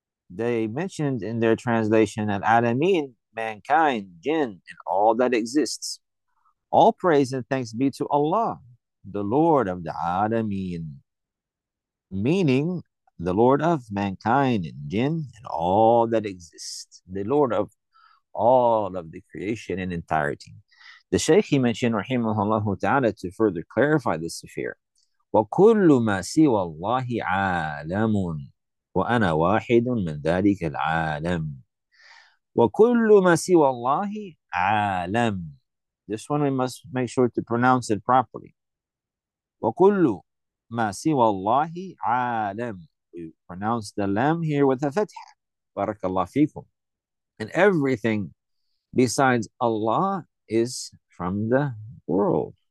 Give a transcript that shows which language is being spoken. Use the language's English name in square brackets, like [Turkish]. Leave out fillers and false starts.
[English] They mentioned in their translation, Al-Alamin, mankind, jinn, and all that exists. All praise and thanks be to Allah, the Lord of the Alameen, meaning the Lord of mankind and jinn and all that exists, the Lord of all of the creation in entirety. The Shaykh, he mentioned, rahimahullahu ta'ala, to further clarify this sphere, [Arabic] وَكُلُّ مَا سِوَى اللَّهِ عَالَمٌ وَأَنَا وَاحِدٌ مِنْ ذَلِكَ الْعَالَمِ وَكُلُّ مَا سِوَى اللَّهِ عَالَمٌ. [English] This one we must make sure to pronounce it properly. [Arabic] وَكُلُّ مَا سِوَى اللَّهِ عَالَمٌ. [English] We pronounce the lam here with a fatha. [Arabic] بارك الله فيكم. [English] And everything besides Allah is from the world.